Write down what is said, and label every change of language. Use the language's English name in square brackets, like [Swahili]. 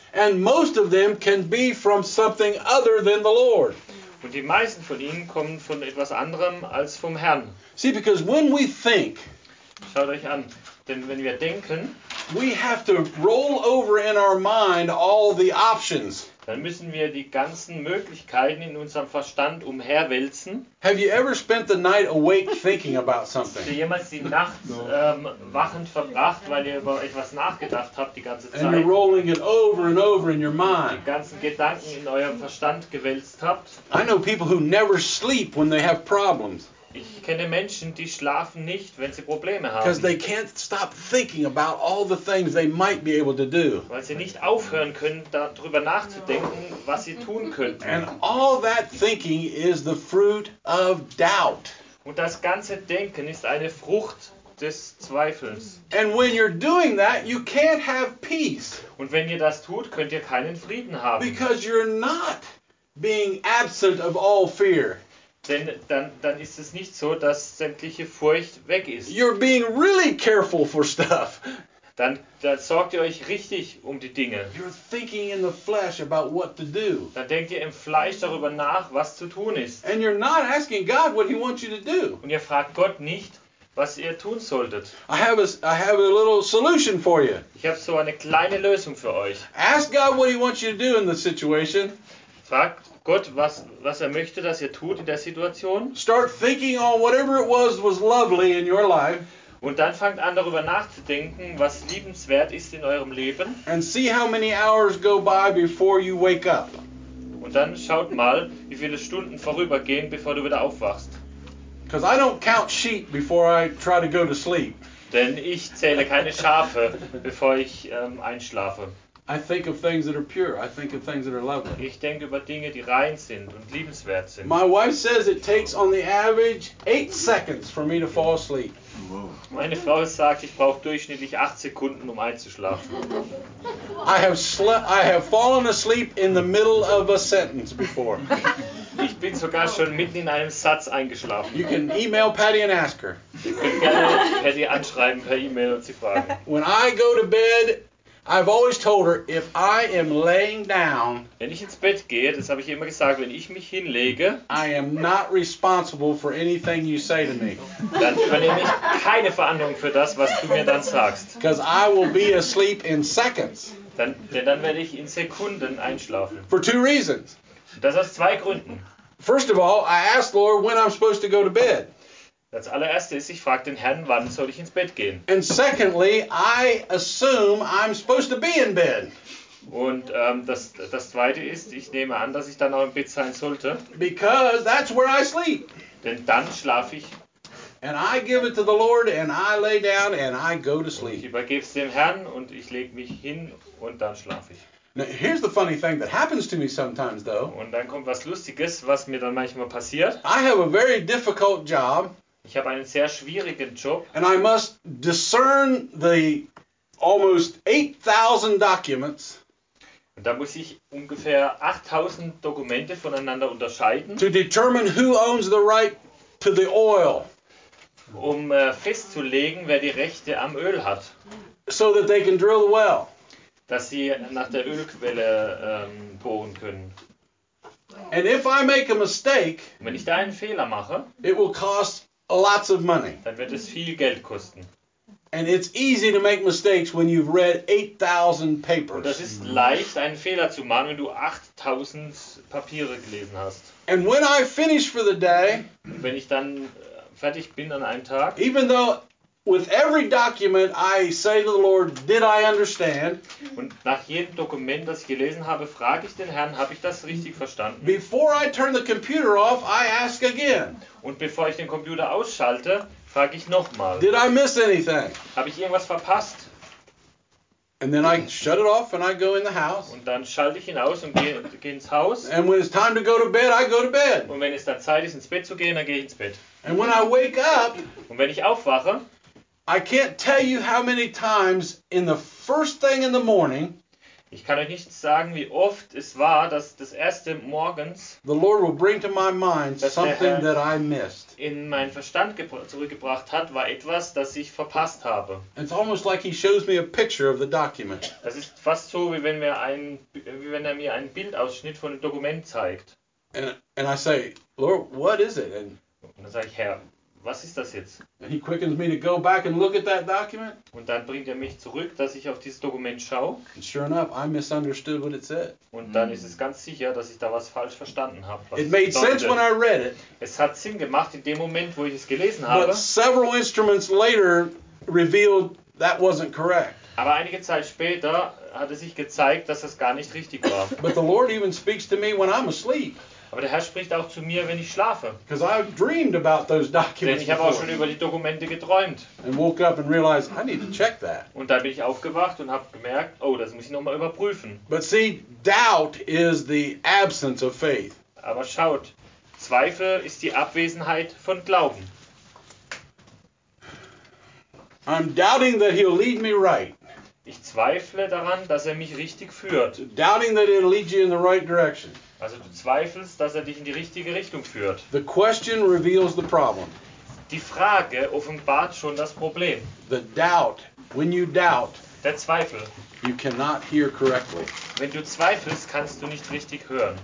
[English] And most of them can be from something other than the Lord. [German] Und die meisten von ihnen kommen von etwas anderem als vom Herrn. [English] See, because when we think, [German] schaut euch an, denn wenn wir denken, [English] we have to roll over in our mind all the options. [German] Dann müssen wir die ganzen Möglichkeiten in unserem Verstand umherwälzen. [English] Have you ever spent the night awake thinking about something? [German] Habt ihr jemals die Nacht wachend verbracht, weil ihr über etwas nachgedacht habt die ganze Zeit? [English] And you're rolling it over and over in your mind. [German] Die ganzen Gedanken in eurem Verstand gewälzt habt? [English] I know people who never sleep when they have problems. [German] Ich kenne Menschen, die schlafen nicht, wenn sie Probleme haben. [English] Because they can't stop thinking about all the things they might be able to do. [German] Weil sie nicht aufhören können, darüber nachzudenken, was sie tun könnten. [English] And all that thinking is the fruit of doubt. [German] Und das ganze Denken ist eine Frucht des Zweifels. [English] And when you're doing that, you can't have peace. [German] Und wenn ihr das tut, könnt ihr keinen Frieden haben. [English] Because you're not being absent of all fear. [German] Denn dann ist es nicht so, dass sämtliche Furcht weg ist. [English] You're being really careful for stuff. [German] Dann sorgt ihr euch richtig um die Dinge. [English] You're thinking in the flesh about what to do. [German] Dann denkt ihr im Fleisch darüber nach, was zu tun ist. [English] And you're not asking God what he wants you to do. [German] Und ihr fragt Gott nicht, was ihr tun solltet. [English] I have a little solution for you. [German] Ich habe so eine kleine Lösung für euch. [English] Ask God what he wants you to do in the situation. [German] Fragt Gott, was er möchte, dass ihr tut in der Situation. [English] Start thinking on whatever it was lovely in your life. [German] Und dann fangt an, darüber nachzudenken, was liebenswert ist in eurem Leben. [English] And see how many hours go by before you wake up. [German] Und dann schaut mal, wie viele Stunden vorübergehen, bevor du wieder aufwachst. [English] Because I don't count sheep before I try to go to sleep. [German] Denn ich zähle keine Schafe, bevor ich einschlafe. [English] I think of things that are pure. I think of things that are lovely. [German] Ich denke über Dinge, die rein sind und liebenswert sind. [English] My wife says it takes on the average 8 seconds for me to fall asleep. Whoa. [German] Meine Frau sagt, ich brauche durchschnittlich 8 Sekunden, um einzuschlafen. [English] I have fallen asleep in the middle of a sentence before. [German] Ich bin sogar schon mitten in einem Satz eingeschlafen. [English] You can email Patty and ask her. [German] Ihr könnt gerne Patty anschreiben per E-Mail und sie fragen. [English] When I go to bed, I've always told her, if I am laying down, [German] wenn ich ins Bett gehe, das habe ich immer gesagt, wenn ich mich hinlege, [English] I am not responsible for anything you say to me. [German] Dann übernehme ich keine Verantwortung für das, was du mir dann sagst. [English] Because I will be asleep in seconds. [German] Denn dann werde ich in Sekunden einschlafen. [English] For two reasons. [German] Das aus zwei Gründen. [English] First of all, I asked the Lord when I'm supposed to go to bed. [German] Das allererste ist, ich frage den Herrn, wann soll ich ins Bett gehen? [English] And secondly, I assume I'm supposed to be in bed. [German] Und das zweite ist, ich nehme an, dass ich dann auch im Bett sein sollte. [English] Because that's where I sleep. [German] Denn dann schlafe ich. [English] And I give it to the Lord and I lay down and I go to sleep. [German] Ich übergebe es dem Herrn und ich lege mich hin und dann schlafe ich. [English] Now, here's the funny thing that happens to me sometimes though. [German] Und dann kommt was Lustiges, was mir dann manchmal passiert. [English] I have a very difficult job. [German] Ich habe einen sehr schwierigen Job. [English] And I must discern the almost 8,000 documents. [German] Und da muss ich ungefähr 8,000 Dokumente voneinander unterscheiden. [English] To determine who owns the right to the oil. [German] Um festzulegen, wer die Rechte am Öl hat. [English] So that they can drill the well. [German] Dass sie nach der Ölquelle bohren können. [English] And if I make a mistake, [German] wenn ich da einen Fehler mache, [English] it will cost lots of money. [German] Dann wird es viel Geld kosten. [English] And it's easy to make mistakes when you've read 8,000 papers. [German] Und das ist leicht, einen Fehler zu machen, wenn du 8,000 Papiere gelesen hast. [English] And when I finish for the day, [German] wenn ich dann fertig bin an einem Tag, [English] even though with every document I say to the Lord, did I understand? [German] Und nach jedem Dokument, das ich gelesen habe, frage ich den Herrn, habe ich das richtig verstanden? [English] Before I turn the computer off, I ask again. [German] Und bevor ich den Computer ausschalte, frage ich nochmal. [English] Did I miss anything? [German] Habe ich irgendwas verpasst? [English] And then I shut it off and I go in the house. [German] Und dann schalte ich ihn aus und gehe ins Haus. [English] And when it's time to go to bed, I go to bed. [German] Und wenn es dann Zeit ist, ins Bett zu gehen, dann gehe ich ins Bett. [English] And when I wake up, [German] und wenn ich aufwache, [English] I can't tell you how many times in the first thing in the morning, [German] ich kann euch nicht sagen, wie oft es war, dass das erste morgens, [English] the Lord will bring to my mind something that I missed. [German] In meinen Verstand zurückgebracht hat, war etwas, das ich verpasst habe. [English] It's almost like he shows me a picture of the document. [German] Das ist fast so, wie wenn er mir einen Bildausschnitt von dem Dokument zeigt. [English] And I say, Lord, what is it? [German] Und dann sage ich, Herr, was ist das jetzt? [English] And he quickens me to go back and look at that document. [German] Und dann bringt mich zurück, dass ich auf dieses Dokument schaue. [English] And sure enough, I misunderstood what it said. [German] Und dann ist es ganz sicher, dass ich da was falsch verstanden habe. [English] It made sense when I read it. [German] Es hat Sinn gemacht in dem Moment, wo ich es gelesen habe. [English] But several instruments later revealed that wasn't correct. [German] Aber einige Zeit später hat es sich gezeigt, dass das gar nicht richtig war. [English] But the Lord even speaks to me when I'm asleep. [German] Aber der Herr spricht auch zu mir, wenn ich schlafe. [English] Because I've dreamed about those documents. [German] Denn ich habe auch schon über die Dokumente geträumt. [English] And woke up and realized, I need to check that. [German] Und dann bin ich aufgewacht und habe gemerkt, oh, das muss ich nochmal überprüfen. [English] But see, doubt is the absence of faith. [German] Aber schaut, Zweifel ist die Abwesenheit von Glauben. [English] I'm doubting that he'll lead me right. [German] Ich zweifle daran, dass er mich richtig führt. [English] Doubting that he'll lead you in the right direction. [German] Also du zweifelst, dass er dich in die richtige Richtung führt. [English] The question reveals the problem. [German] Die Frage offenbart schon das Problem. [English] The doubt, when you doubt, [German] der Zweifel. [English] You cannot hear correctly. [German] Wenn du zweifelst, kannst du nicht richtig hören.